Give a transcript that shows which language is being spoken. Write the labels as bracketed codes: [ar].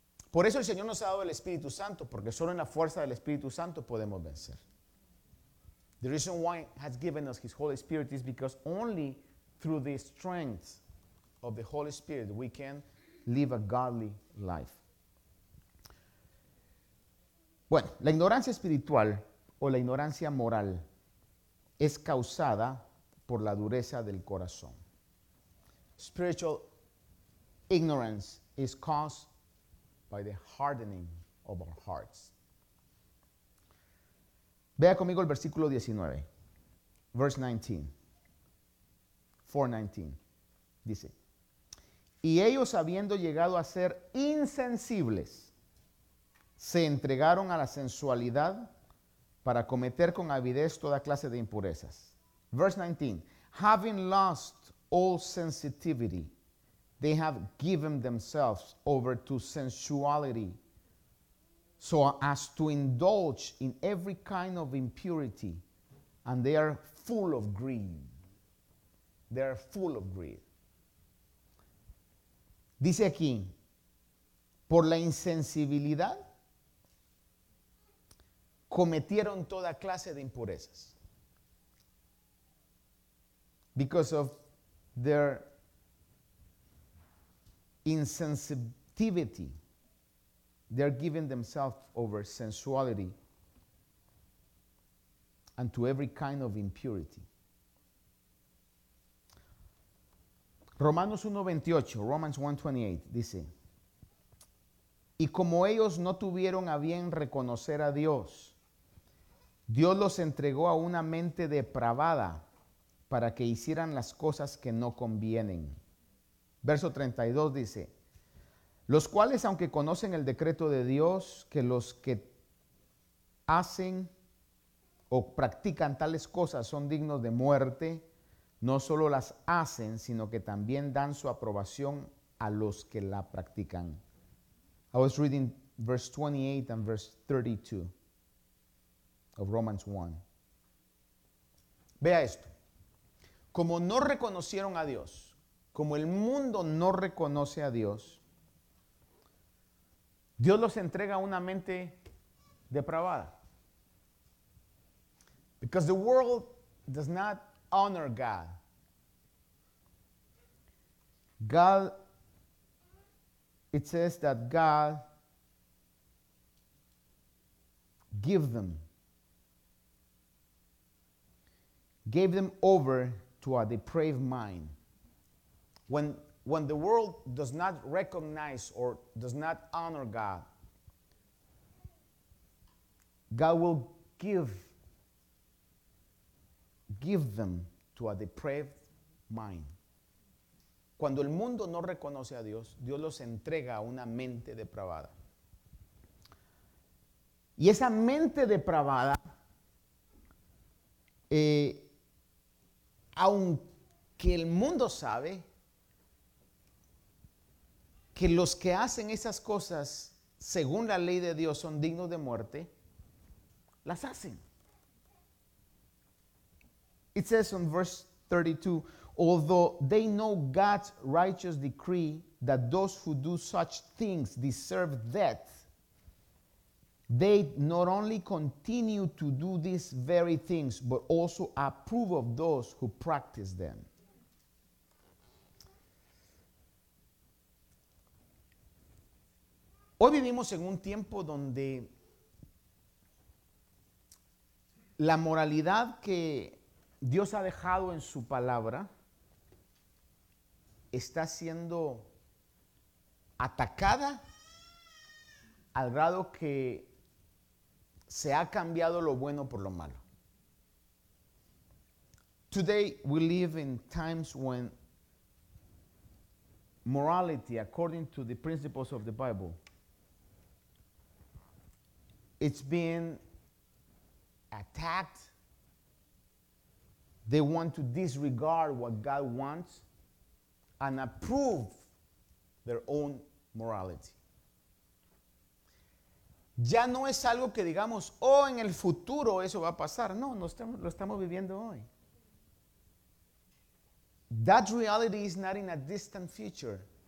[es] Por eso el Señor nos ha dado el Espíritu Santo, porque solo en la fuerza del Espíritu Santo podemos vencer. [en] The reason why he has given us his Holy Spirit is because only through the strength of the Holy Spirit, we can live a godly life. [es] Bueno, la ignorancia espiritual o la ignorancia moral es causada por la dureza del corazón. [en] Spiritual ignorance is caused by the hardening of our hearts. [es] Vea conmigo el versículo 19, [en] verse 19, [es] dice, y ellos, habiendo llegado a ser insensibles, se entregaron a la sensualidad para cometer con avidez toda clase de impurezas. [en] Verse 19. Having lost all sensitivity, they have given themselves over to sensuality so as to indulge in every kind of impurity, and they are full of greed. They are full of greed. [es] Dice aquí, por la insensibilidad, cometieron toda clase de impurezas. [en] because of their insensitivity, they're giving themselves over sensuality and to every kind of impurity. [es] Romans 1:28 dice, y como ellos no tuvieron a bien reconocer a Dios, Dios los entregó a una mente depravada para que hicieran las cosas que no convienen. Verso 32 dice, los cuales aunque conocen el decreto de Dios, que los que hacen o practican tales cosas son dignos de muerte, no solo las hacen, sino que también dan su aprobación a los que la practican. [en] I was reading verse 28 and verse 32 of Romans 1. [es] Vea esto. Como no reconocieron a Dios, como el mundo no reconoce a Dios, Dios los entrega a una mente depravada. [en] Because the world does not honor God. God, it says that God gave them over to a depraved mind. When the world does not recognize or does not honor God, God will give them to a depraved mind. [es] Cuando el mundo no reconoce a Dios, Dios los entrega a una mente depravada. Y esa mente depravada, aunque el mundo sabe que los que hacen esas cosas según la ley de Dios son dignos de muerte, las hacen. [en] It says in verse 32, although they know God's righteous decree that those who do such things deserve death, they not only continue to do these very things, but also approve of those who practice them. [es] Hoy vivimos en un tiempo donde la moralidad que Dios ha dejado en su palabra está siendo atacada al grado que se ha cambiado lo bueno por lo malo. [en] Today we live in times when morality, according to the principles of the Bible, it's being attacked. They want to disregard what God wants and approve their own morality. [es] Ya no es algo que digamos, oh, en el futuro eso va a pasar. No, lo estamos viviendo hoy. [en] That reality is not in a distant future.